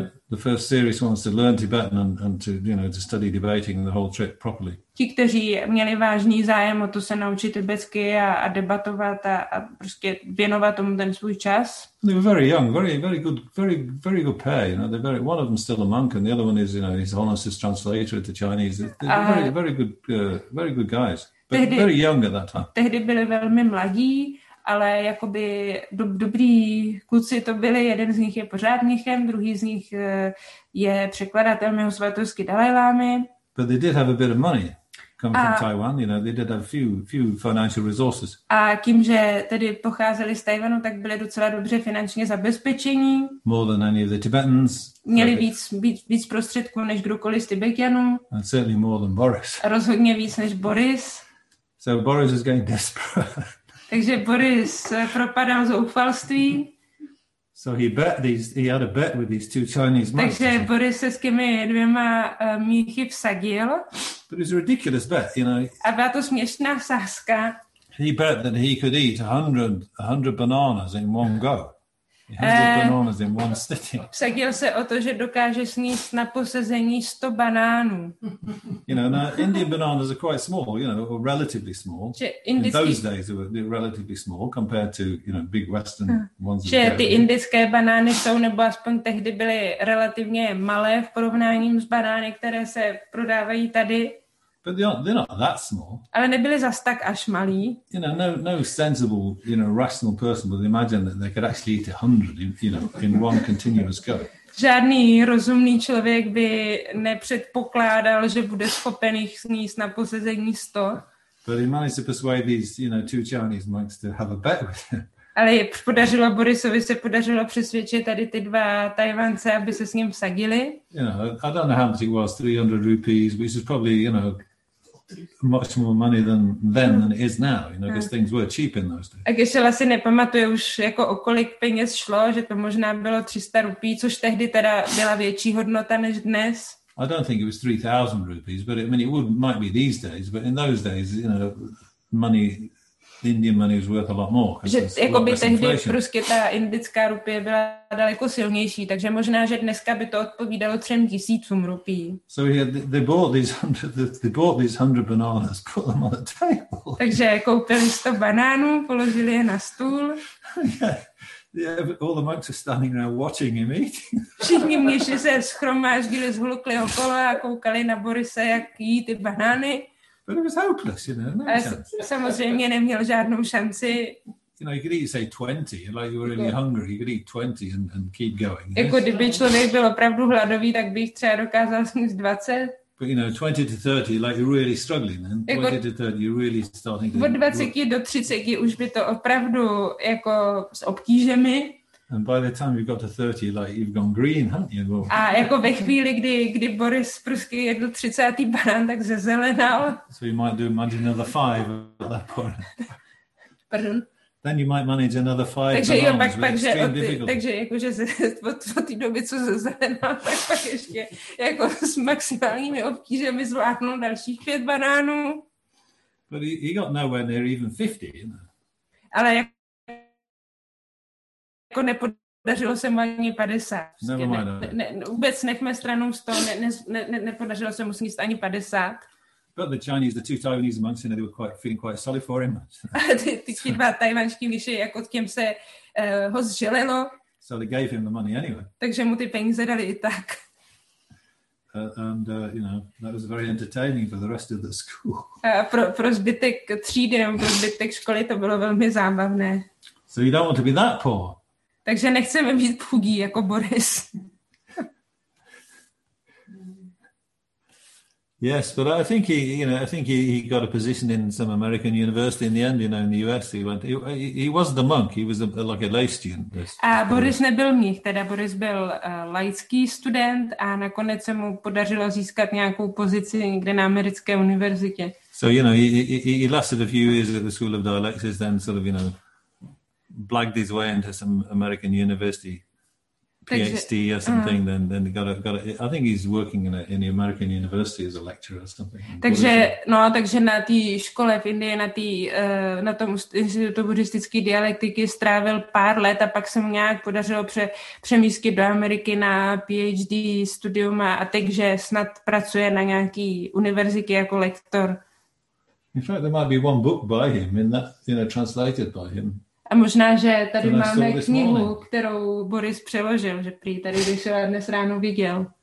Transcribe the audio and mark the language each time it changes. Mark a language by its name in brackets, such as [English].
[English] The first serious ones to learn Tibetan and to, you know, to study debating the whole trip properly. [Czech] Ti, kteří měli vážný zájem o to se naučit tibetsky a debatovat a prostě věnovat tomu ten svůj čas. [English] They were very young, very, very good, very, very good pair. You know, they're very, one of them still a monk and the other one is, you know, his honest translator at the Chinese. They're very, very good, very good guys. But [Czech] tehdy, [English] very young at that time. [Czech] Tehdy byli velmi mladí, ale jakoby dobrý kluci to byli, jeden z nich je pořád mnichem, druhý z nich je překladatel mého svatosti Dalai Lámy. [English] But they did have a bit of money coming from Taiwan, you know, they did have few financial resources. [Czech] A tím, že tedy pocházeli z Taiwanu, tak byli docela dobře finančně zabezpečení. [English] More than any of the Tibetans. [Czech] Měli víc prostředků než kdokoliv z Tibetanů. [English] And certainly more than Boris. [Czech] A rozhodně víc než Boris. [English] So Boris is getting desperate. [Czech] Takže Boris propadal zoufalství. [English] So he had a bet with these two Chinese monks. [Czech] Takže Boris se s těmi dvěma mnichy vsadil. [English] But it was a ridiculous bet, you know. [Czech] A byla to směšná sázka. [English] He bet that he could eat 100 bananas in one go. 100 bananas in one sitting. [Czech] Vsadil se o to, že dokáže sníst na posezení 100 banánů. [English] You know, now Indian bananas are quite small, you know, or relatively small. In those days they were relatively small compared to, you know, big Western ones. [Czech] Že ty indické banány jsou, nebo aspoň tehdy byly relativně malé v porovnání s banány, které se prodávají tady. [English] But they're not that small. [Czech] Ale nebyli zas tak až malí. [English] You know, no sensible, you know, rational person would imagine that they could actually eat 100, you know, in one continuous go. [Czech] Žádný rozumný člověk by nepředpokládal, že bude schopen jich sníst na posezení 100. [English] But he managed to persuade these, you know, two Chinese monks to have a bet with him. [Czech] Ale podařilo Borisovi se podařilo přesvědčit tady ty dva Tajvance, aby se s ním vsadili. [English] You know, I don't know how much it was, 300 rupees, which is probably, you know, much more money than it is now, you know, because things were cheap in those days. [Czech] A Gešel asi nepamatuje už, jako o kolik peněz šlo, že to možná bylo 300 rupií, což tehdy teda byla větší hodnota než dnes. [English] I don't think it was 3,000 rupees, but it, I mean, it might be these days, but in those days, you know, money the Indian money was worth a lot more. [Czech] Že jakoby tehdy prostě ta indická rupie byla daleko silnější, takže možná, že dneska by to odpovídalo 3000 rupí. [English] So they bought these 100 bananas, put them on the table. [Czech] Takže koupili 100 banánů, položili je na stůl. [English] Yeah, all the monks are standing around watching him eat. [Czech] Všichni mniši se schromáždili, zhlukli okolo a koukali na Borise, jak jí ty banány. [English] But it was hopeless, you know. No chance. [Czech] Samozřejmě neměl žádnou šanci. [English] You know, you could eat, say, 20, like you were really hungry. You could eat 20 and keep going. Yes? [Czech] Jako kdyby člověk byl opravdu hladový, tak bych třeba dokázal smíst 20. [English] But, you know, 20 to 30, like you're really struggling. And 20 to 30, you're really starting to... [Czech] Od 20 do 30 už by to opravdu jako s obtížemi. [English] And by the time you've got to 30, like you've gone green, haven't you? [Czech] A jako ve chvíli, kdy Boris prusky jedl 30. banán, tak zezelenal. [English] So you might do manage another 5 at that point. Pardon? Then you might manage another 5 [Czech] takže [English] bananas, [Czech] pak, [English] but it's extremely difficult. [Czech] Takže jakože od té doby, co zezelenal, pak ještě jako s maximálními obtížemi zvládnul dalších 5 banánů. [English] But he got nowhere near even 50, you know. [Czech] Ale jako nepodařilo se mu ani 50. Vůbec nechme stranou 100, nepodařilo se mu sníst ani 50. [English] But the Chinese, the two Taiwanese monks, you know, they were quite feeling quite sorry for him. [Czech] Ty dva tajvanští mniši, jako těm se ho zželelo. [English] So they gave him the money anyway. [Czech] Takže mu ty peníze dali i tak. [English] You know, that was very entertaining for the rest of the school. [Czech] Pro zbytek třídy nebo pro zbytek školy to bylo velmi zábavné. [English] So you don't want to be that poor. [Czech] Takže nechceme být chudí jako Boris. [English] Yes, but I think he, you know, I think he got a position in some American university in the end, you know, in the US. He went. He wasn't a monk. He was like a lay student. [Czech] A Boris nebyl mnich, teda Boris byl laický student a nakonec se mu podařilo získat nějakou pozici někde na americké univerzitě. [English] So you know, he lasted a few years at the School of Dialectics, then sort of, you know, blagged his way into some American university PhD or something. Then got a, I think he's working in the American university as a lecturer or something. [Czech] Takže no, takže na té škole v Indii, na té na tom institutu buddhistické dialektiky strávil pár let a pak se mu nějak podařilo přemístit do Ameriky na PhD studium a takže snad pracuje na nějaký univerzitě jako lektor. [English] In fact, there might be one book by him, in that, you know, translated by him. [Czech] A možná, že tady máme knihu, kterou Boris přeložil, že prý tady bych se dnes ráno viděl.